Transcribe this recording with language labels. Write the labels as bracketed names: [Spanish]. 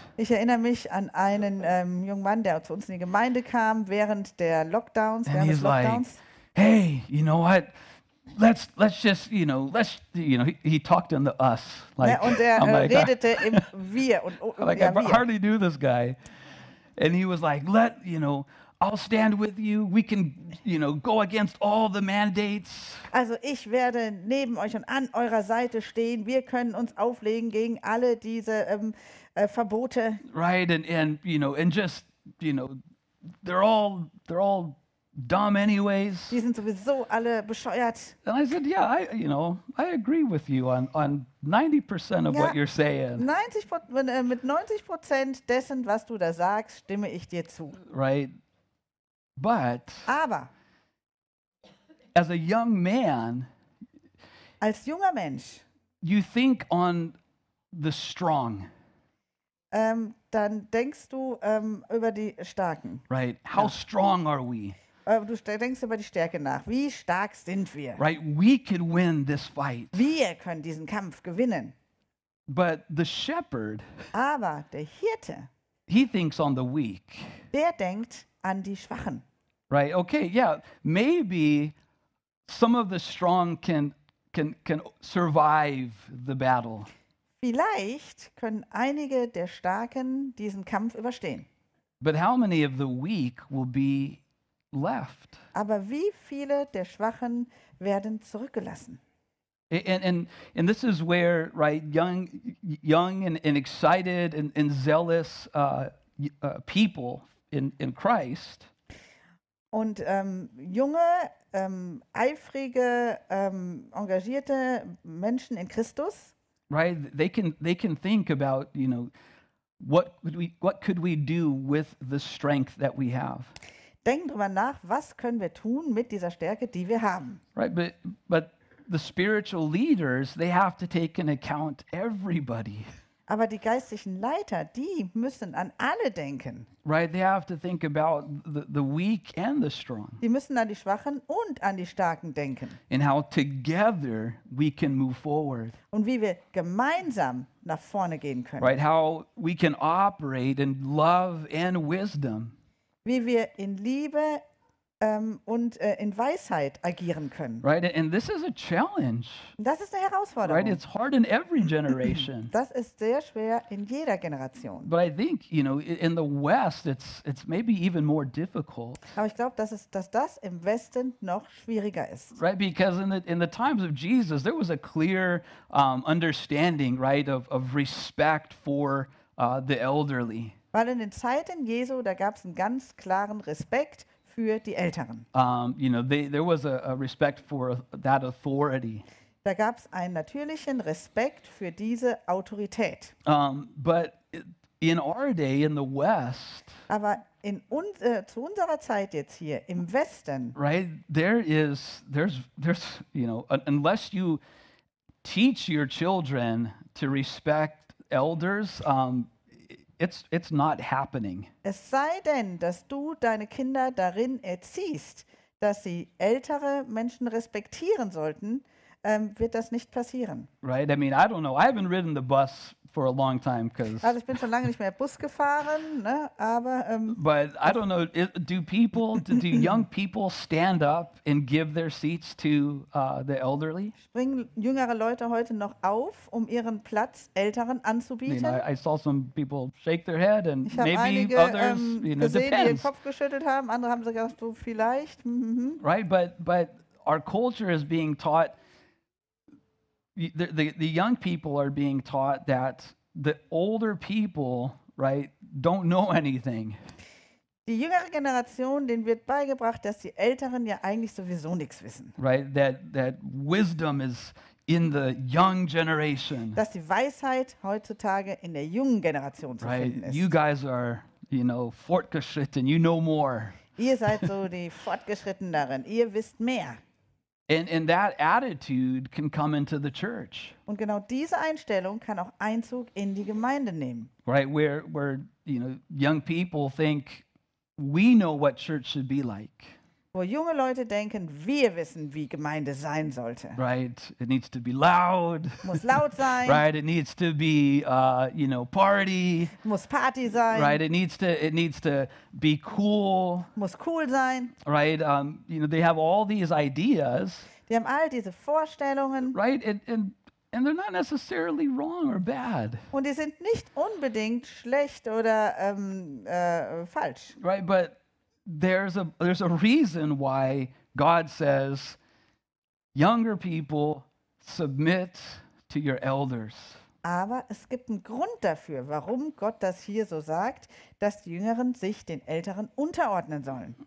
[German] Ich erinnere mich an einen jungen Mann, der zu uns in die Gemeinde kam während der Lockdowns. [English] And he's like, hey, you know what? Let's just, you know. He talked in the us, like. [German] Ja, und er redete im Wir. [English] Like, [German] ja, [English] I hardly knew this guy, and he was like, "Let you know, I'll stand with you. We can, you know, go against all the mandates. [German] Also, ich werde neben euch und an eurer Seite stehen. Wir können uns auflegen gegen alle diese Verbote. [English] Right, and you know, and just, you know, they're all dumb anyways. [German] Die sind sowieso alle bescheuert. [English] And I said, yeah, I agree with you on 90% of, [German] ja, [English] what you're saying. [German] 90%, mit 90% dessen, was du da sagst, stimme ich dir zu. [English] Right. But, [German] aber [English] as a young man, [German] als junger Mensch, [English] you think on the strong. [German] Dann denkst du über die Starken. [English] Right. How, ja, strong are we? [German] Du denkst über die Stärke nach. Wie stark sind wir? [English] Right. We could win this fight. [German] Wir können diesen Kampf gewinnen. [English] But the shepherd, [German] aber der Hirte, [English] he thinks on the weak. [German] Der denkt an die Schwachen. [English] Right, okay, yeah, maybe some of the strong can survive the battle. [German] Vielleicht können einige der Starken diesen Kampf überstehen. [English] But how many of the weak will be left? [German] Aber wie viele der Schwachen werden zurückgelassen? [English] And this is where, right, young and excited and zealous people in Christ. [German] Und junge, eifrige, engagierte Menschen in Christus. [English] Right, they can think about, you know, what could we do with the strength that we have. [German] Denken drüber nach, was können wir tun mit dieser Stärke, die wir haben. [English] Right, but the spiritual leaders, they have to take into account everybody. [German] Aber die geistlichen Leiter, die müssen an alle denken. [English] Right, they have to think about the weak and the strong. [German] Die müssen an die Schwachen und an die Starken denken. [English] And how together we can move forward. [German] Und wie wir gemeinsam nach vorne gehen können. [English] Right, how we can operate in love and wisdom. [German] Wie wir in Liebe und in Weisheit agieren können. [English] Right, and this is a challenge. [German] Das ist eine Herausforderung. [English] Right, it's hard in every generation. [German] Das ist sehr schwer in jeder Generation. [English] But I think, you know, in the West, it's maybe even more difficult. [German] Aber ich glaube, dass das im Westen noch schwieriger ist. [English] Right, because in the times of Jesus, there was a clear understanding, right, of respect for the elderly. [German] Weil in den Zeiten Jesu, da gab es einen ganz klaren Respekt für die Älteren. [English] You know, there was a respect for that authority. [German] Da gab es einen natürlichen Respekt für diese Autorität. [English] But in our day in the West, [German] aber in zu unserer Zeit jetzt hier im Westen, [English] right, there's you know, unless you teach your children to respect elders, it's not happening. [German] Es sei denn, dass du deine Kinder darin erziehst, dass sie ältere Menschen respektieren sollten, wird das nicht passieren. [English] Right, I mean, I don't know. I haven't ridden the bus for a long time, because. [German] Also ich bin schon lange nicht mehr Bus gefahren, ne? Aber. [English] But I don't know. Do young people stand up and give their seats to the elderly? [German] Springen jüngere Leute heute noch auf, um ihren Platz Älteren anzubieten? [English] I saw some people shake their head, and [German] ich [English] maybe [German] einige, [English] others, you know, [German] gesehen, [English] depends. [German] Die den Kopf geschüttelt haben. Andere haben sogar gesagt, so vielleicht. Mm-hmm. [English] Right, but our culture is being taught. The young people are being taught that the older people, right, don't know anything. [German] Die jüngere Generation, denen wird beigebracht, dass die Älteren ja eigentlich sowieso nichts wissen. [English] Right, that wisdom is in the young generation. [German] Dass die Weisheit heutzutage in der jungen Generation zu, [English] right, [German] finden ist. [English] You guys are, you know, [German] fortgeschritten, [English] you know more. [German] Ihr seid so die Fortgeschritteneren, ihr wisst mehr. [English] And that attitude can come into the church. [German] Und genau diese Einstellung kann auch Einzug in die Gemeinde nehmen. [English] Right, where you know, young people think we know what church should be like. [German] Wo junge Leute denken, wir wissen, wie Gemeinde sein sollte. [English] Right, it needs to be loud. [German] Muss laut sein. [English] Right, it needs to be you know, party. [German] Muss Party sein. [English] Right, it needs to be cool. [German] Muss cool sein. [English] Right, you know, they have all these ideas. [German] Die haben all diese Vorstellungen. [English] Right, and they're not necessarily wrong or bad. [German] Und die sind nicht unbedingt schlecht oder falsch. [English] Right, but there's a reason why God says, younger people, submit to your elders. [German] Aber es gibt einen Grund dafür, warum Gott das hier so sagt, dass die Jüngeren sich den Älteren unterordnen sollen.